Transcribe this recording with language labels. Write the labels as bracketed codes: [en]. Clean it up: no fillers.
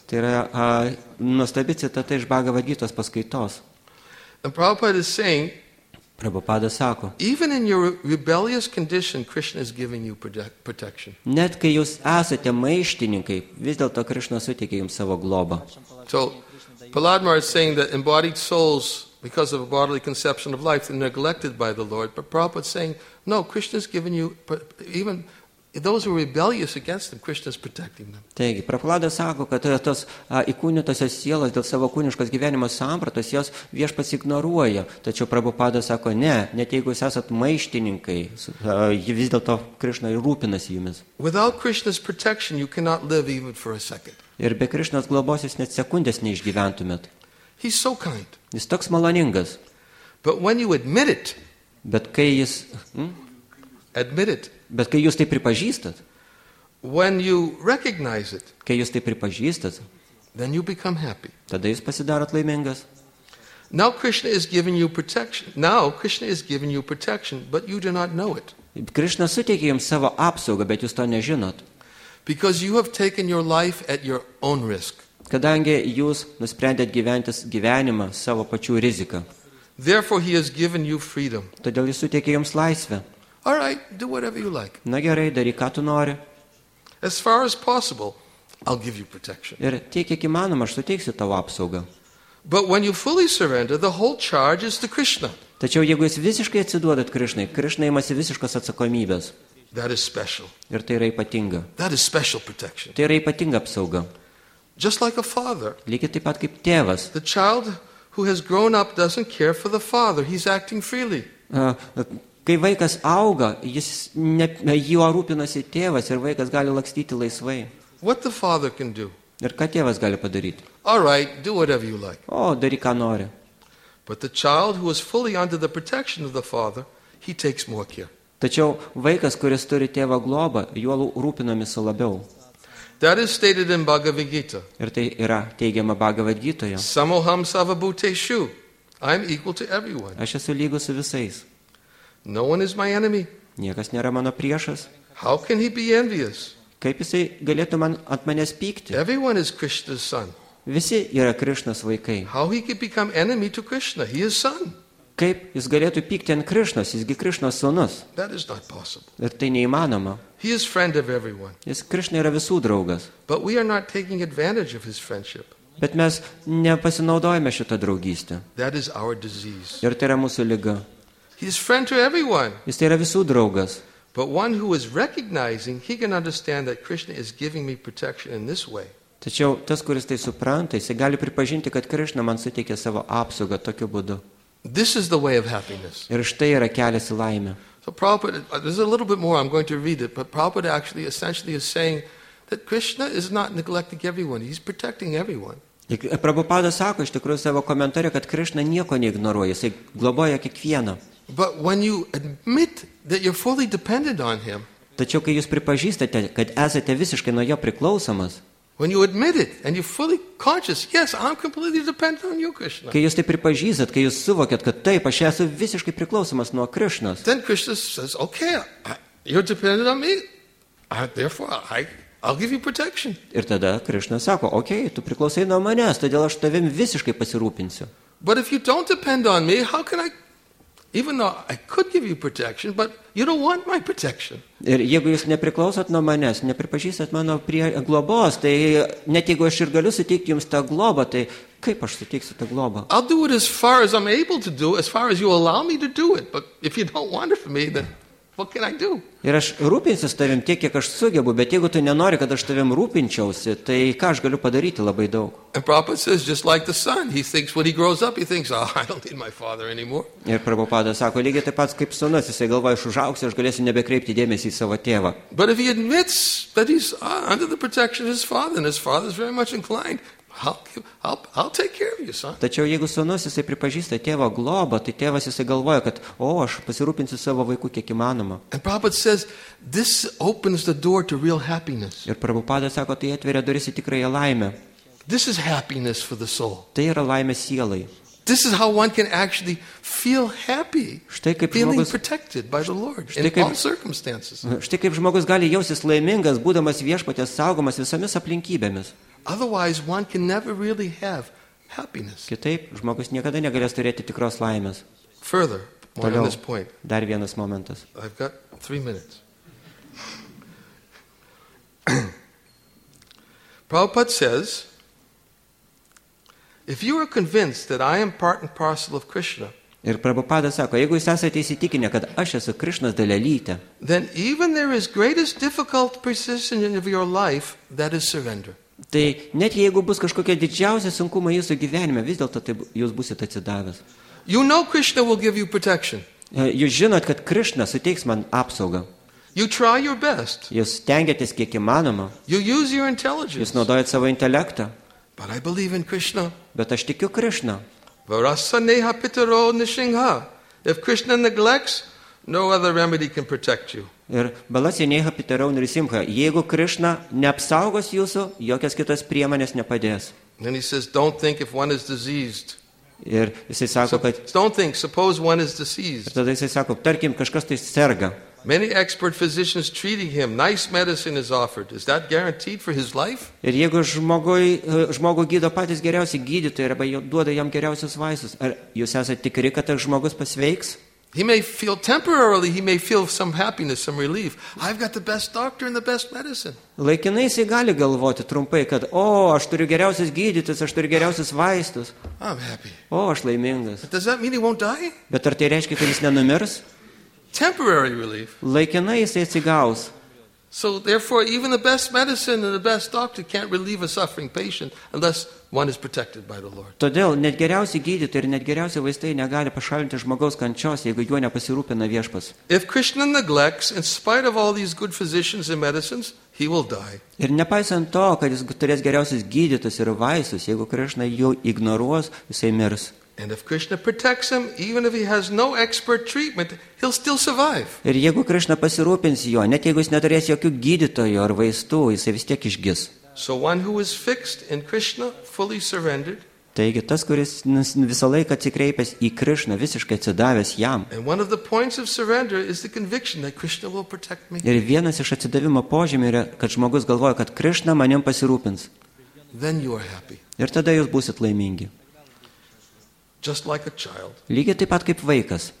[lt] Tai yra nuostabi citata iš Bhagavad Gitos paskaitos. [en] And Prabhupada is saying, [lt] Prabhupada sako, [en] even in your rebellious condition, Krishna is giving you protection. [lt] Net kai jūs esate maištininkai, vis dėlto Krishna suteikia jums savo globą. [en] So, Prahlad Maharaj is saying that embodied souls, because of a bodily conception of life, are neglected by the Lord. But Prabhupada is saying, no, Krishna is giving you, even those who are rebellious against them, Krishna is protecting them. [lt] Taigi, Prahlada sako, kad tos įkūnytosios sielos dėl savo kūniškos gyvenimo sampratos, jos viešpats ignoruoja. Tačiau Prabhupada sako, ne, net jeigu jūs esat maištininkai, vis dėlto Krishna rūpinasi jumis. [en] Without Krishna's protection, you cannot live even for a second. [lt] Ir be Krishna's globos jūs net sekundės neišgyventumėt. [en] He's so kind. [lt] Jis toks maloningas. [en] But when you admit it, [lt] bet kai jis... [en] Admit it. [lt] Bet kai jūs tai pripažįstat, [en] when you recognize it, [lt] kai jūs tai pripažįstat, [en] then you become happy. [lt] Tada jūs pasidarot laimingas. [en] Now Krishna is giving you protection. Now Krishna is giving you protection, but you do not know it. [lt] Krishna suteikia jums savo apsaugą, bet jūs to nežinot. [en] Because you have taken your life at your own risk. [lt] Kadangi jūs nusprendėt gyventi gyvenimą savo pačių rizika. [en] Therefore, he has given you freedom. [lt] Todėl jis suteikė jums laisvę. [en] All right, do whatever you like. [lt] Na gerai, daryk, ką tu nori. [en] As far as possible, I'll give you protection. [lt] Ir tiek, kiek įmanoma, aš suteiksiu tavo apsaugą. [en] But when you fully surrender, the whole charge is to Krishna. [lt] Tačiau jeigu jūs visiškai atsiduodat Krishnai, Krishna imasi visiškos atsakomybės. [en] That is special. [lt] Ir tai yra ypatinga. [en] That is special protection. [lt] Tai yra ypatinga apsauga. [en] Just like a father. [lt] Lygiai taip pat kaip tėvas. [en] The child who has grown up doesn't care for the father. He's acting freely. [lt] Kai vaikas auga, juo rūpinasi tėvas ir vaikas gali lakstyti laisvai. [en] What the father can do? [lt] Ir ką tėvas gali padaryti? [en] All right, do whatever you like. [lt] O, daryk, ką nori. [en] But the child who is fully under the protection of the father, he takes more care. [lt] Tačiau vaikas, kuris turi tėvą globą, juo rūpinamasi labiau. [en] That is stated in Bhagavad Gita. [lt] Ir tai yra teigiama Bhagavad Gitoje. [sa] Samoham savabhuteshu. [en] I am equal to everyone. [lt] Aš esu lygus su visais. [en] No one is my enemy. [lt] Niekas nėra mano priešas. [en] How can he be envious? [lt] Kaip jisai galėtų man ant manęs pykti? [en] Everyone is Krishna's son. [lt] Visi yra Krishnos vaikai. [en] How he could become enemy to Krishna? He is son. [lt] Kaip jis galėtų pykti ant Krishnos? Jisgi Krishnos sūnus. [en] That is not possible. [lt] Ir tai neįmanoma. [en] He is friend of everyone. [lt] Jis Krishna yra visų draugas. [en] But we are not taking advantage of his friendship. [lt] Bet mes nepasinaudojame šitą draugystę. [en] That is our disease. [lt] Ir tai yra mūsų liga. [en] He is friend to everyone. [lt] Jis tai yra visų draugas. [en] But one who is recognizing, he can understand that Krishna is giving me protection in this way. [lt] Tačiau tas, kuris tai supranta, jis gali pripažinti, kad Krishna man suteikė savo apsaugą tokiu būdu. [en] This is the way of happiness. [lt] Ir štai yra kelias į laimę. [en] So Prabhupada, there's a little bit more, I'm going to read it, but Prabhupada actually essentially is saying that Krishna is not neglecting everyone, he's protecting everyone. [lt] Prabhupada sako iš tikrųjų savo komentare, kad Krishna nieko neignoruoja, jis globoja kiekvieną. [en] But when you admit that you're fully dependent on him, [lt] tačiau kai jūs pripažįstate, kad esate visiškai nuo jo priklausomas, [en] when you admit it and you're fully conscious, yes, I'm completely dependent on you, Krishna. [lt] Kai jūs tai pripažįstat, kai jūs suvokiat, kad taip, aš esu visiškai priklausomas nuo Krishnos. [en] Then Krishna says, okay, you're dependent on me, therefore I'll give you protection. [lt] Ir tada Krishna sako, okay, tu priklausai nuo manęs, todėl aš tavim visiškai pasirūpinsiu. [en] But if you don't depend on me, how can I, even though I could give you protection, but you don't want my protection. [lt] Ir jeigu jūs nepriklausot nuo manęs, nepripažįstat mano globos, tai net jeigu aš ir galiu suteikti jums tą globą, tai kaip aš suteiksiu tą globą? [en] I'll do it as far as I'm able to do, as far as you allow me to do it, but if you don't want it from me, then what can I do? [lt] Ir aš rūpinsiuosi tavim tiek, kiek aš sugebu, bet jeigu tu nenori, kad aš tavim rūpinčiausi, tai ką aš galiu padaryti labai daug. [en] And Prabhupada says, just like the son, he thinks when he grows up, he thinks, oh, I don't need my father anymore. [lt] Ir Prabhupada sako, lygiai taip pat kaip sūnus, jisai galvoja, aš užauksiu, aš galėsiu nebekreipti dėmesį į savo tėvą. [en] But if he admits that he's under the protection of his father, and his father is very much inclined, I'll take care of you, son. [lt] Tačiau jeigu sūnus jisai pripažįsta tėvo globą, tai tėvas jisai galvoja, kad o, aš pasirūpinsiu savo vaikų kiek įmanoma. [en] And Prabhupada says, this opens the door to real happiness. [lt] Ir Prabhupada sako, tai atveria duris į tikrąją laimę. [en] This is happiness for the soul. [lt] Tai yra laimė sielai. [en] This is how one can actually feel happy. [lt] Štai kaip [en] feeling [lt] žmogus, [en] protected by the Lord in all circumstances. [lt] Štai kaip žmogus gali jaustis laimingas, būdamas viešpatės saugomas visomis aplinkybėmis. [en] Otherwise, one can never really have happiness. [lt] Kitaip, žmogus niekada negalės turėti tikros laimės. [en] Further, more on this point. [lt] Dar vienas momentas. [en] I've got 3 minutes. Prabhupada says, if you are convinced that I am part and parcel of Krishna, [lt] ir Prabhupada sako, jeigu jūs esate įsitikinę, kad aš esu Krishnos dalelytė, [en] then even there is greatest difficult persistence of your life, that is surrender. [lt] Tai net jeigu bus kažkokia didžiausia sunkuma jūsų gyvenime, vis dėlto tai jūs būsite atsidavęs. [en] You know Krishna will give you protection. [lt] Jūs žinot, kad Krishna suteiks man apsaugą. [en] You try your best. [lt] Jūs stengiatės kiek įmanoma. [en] You use your intelligence. [lt] Jūs naudojat savo intelektą. [en] But I believe in Krishna. [lt] Bet aš tikiu Krishna. [sa] Varasa neha pitaro nishingha. [en] If Krishna neglects, no other remedy can protect you. [lt] Ir [sa] balasi neha pitaro nirisimha. [lt] Jeigu Krishna neapsaugos jūsų, jokios kitos priemonės nepadės. [en] Then he says, don't think if one is diseased. [lt] Ir jisai sako, kad [en] don't think, suppose one is diseased. [lt] Ir tada jisai sako, tarkim, kažkas tai serga. [en] Many expert physicians treating him. Nice medicine is offered. Is that guaranteed for his life? [lt] Ir jeigu žmogų gydo patys geriausi gydytojai arba duoda jam geriausius vaistus, ar jūs esate tikri, kad tas žmogus pasveiks? [en] He may feel temporarily, he may feel some happiness, some relief. I've got the best doctor and the best medicine. [lt] Laikinai jis gali galvoti trumpai, kad, o, aš turiu geriausias gydytis, aš turiu geriausias vaistus. [en] I'm happy. [lt] O, aš laimingas. [en] But does that mean he won't die? [lt] Bet ar tai reiškia, kad jis nenumirs? [en] Temporary relief. [lt] Laikinai jis atsigaus. [en] So therefore, even the best medicine and the best doctor can't relieve a suffering patient unless one is protected by the Lord. [lt] Todėl net geriausi gydytojai ir net geriausi vaistai negali pašalinti žmogaus kančios, jeigu juo nepasirūpina Viešpats. [en] If Krishna neglects, in spite of all these good physicians and medicines, he will die. [lt] Ir nepaisant to, kad jis turės geriausius gydytus ir vaistus, jeigu Krishna jų ignoruos, jisai mirs. [en] And if Krishna protects him, even if he has no expert treatment, he'll still survive. [lt] Ir jeigu Krishna pasirūpins jo, net jeigu jis neturės jokių gydytojų ar vaistų, jis vis tiek išgis. [en] So one who is fixed in Krishna, fully surrendered. [lt] Taigi tas, kuris visą laiką atsikreipęs į Krishna, visiškai atsidavęs jam. [en] And one of the points of surrender is the conviction that Krishna will protect me. [lt] Ir vienas iš atsidavimo požymių yra, kad žmogus galvoja, kad Krishna manim pasirūpins. [en] Then you are happy. [lt] Ir tada jūs būsit laimingi. [en] Just like a child. [lt] Lygiai taip pat kaip vaikas.